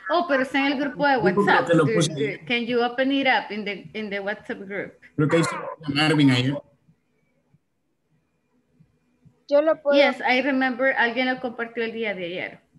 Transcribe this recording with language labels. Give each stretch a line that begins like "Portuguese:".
Spanish: Oh, pero está en el grupo de WhatsApp.
English: Can you open it up in the WhatsApp group?
Spanish: Creo que hay Marvin ahí. Yo lo puedo.
English: Yes, I remember
Spanish: alguien lo compartió el día de ayer.